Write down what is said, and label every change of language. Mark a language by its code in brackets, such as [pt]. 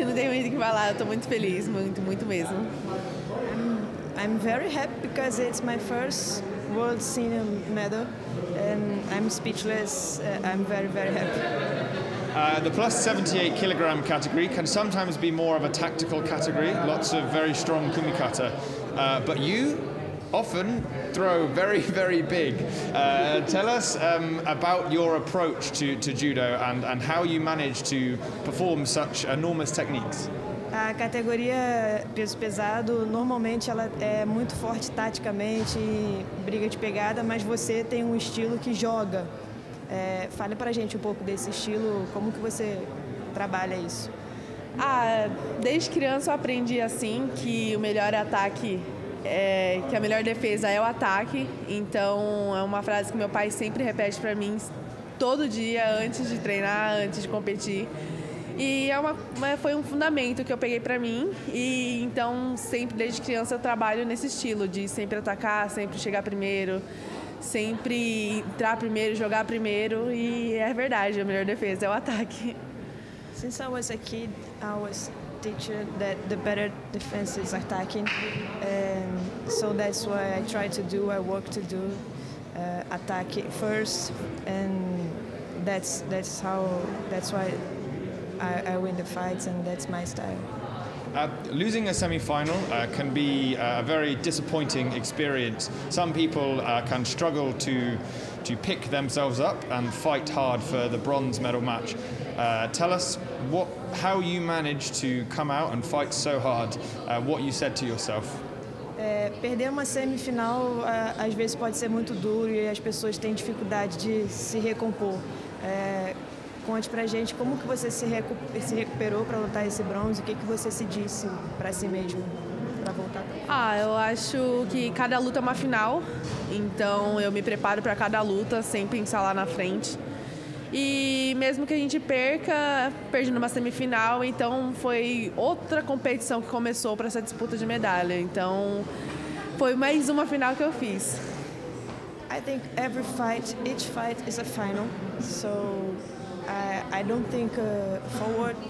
[pt] Não tenho muito o que falar. Eu estou muito feliz, muito, muito mesmo. [en] I'm very happy because it's my first world senior medal. And I'm speechless. I'm very, very happy. The plus 78 kilogram category can sometimes be more of a tactical category, lots of very strong kumikata. But you often throw very, very big. Tell us about your approach to judo and how you manage to perform such enormous techniques. [pt] A categoria peso pesado, normalmente ela é muito forte taticamente, briga de pegada, mas você tem um estilo que joga. Fale pra gente um pouco desse estilo, como que você trabalha isso? Ah, desde criança eu aprendi assim, que o melhor ataque, que a melhor defesa é o ataque. Então é uma frase que meu pai sempre repete pra mim, todo dia, antes de treinar, antes de competir. E foi um fundamento que eu peguei pra mim. E então sempre, desde criança, eu trabalho nesse estilo, de sempre atacar, sempre chegar primeiro. Sempre entrar primeiro, jogar primeiro, e é verdade, a melhor defesa é o ataque. [en] Since I was a kid, I was teaching that the better defense is attacking. So that's why I try to do, I work to do attack first, and that's why I win the fights, and that's my style. Losing a semi-final can be a very disappointing experience. Some people can struggle to pick themselves up and fight hard for the bronze medal match. Tell us how you managed to come out and fight so hard, what you said to yourself. [pt] Perder uma semifinal às vezes pode ser muito duro e as pessoas têm dificuldade de se recompor. Conte pra gente como que você se recuperou para lutar esse bronze, o que você se disse para si mesmo para voltar? Eu acho que cada luta é uma final, então eu me preparo para cada luta sem pensar lá na frente. E mesmo que a gente perca, perdi numa semifinal, então foi outra competição que começou para essa disputa de medalha. Então foi mais uma final que eu fiz. [en] I think every fight, each fight is a final. So I don't think forward.